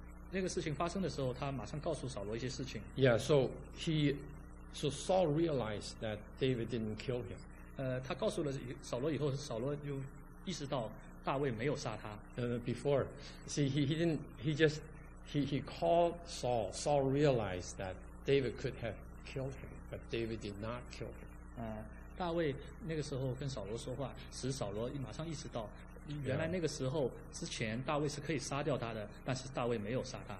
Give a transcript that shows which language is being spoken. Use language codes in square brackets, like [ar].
[zh] 那个事情发生的时候，他马上告诉扫罗一些事情。 [en] Yeah. So Saul realized that David didn't kill him. [zh] 他告诉了扫罗以后，扫罗就意识到大卫没有杀他。 [en] Before, see, he called Saul. Saul realized that David could have killed him, but David did not kill him. [zh] 大卫那个时候跟扫罗说话，使扫罗马上意识到，原来那个时候之前大卫是可以杀掉他的，但是大卫没有杀他。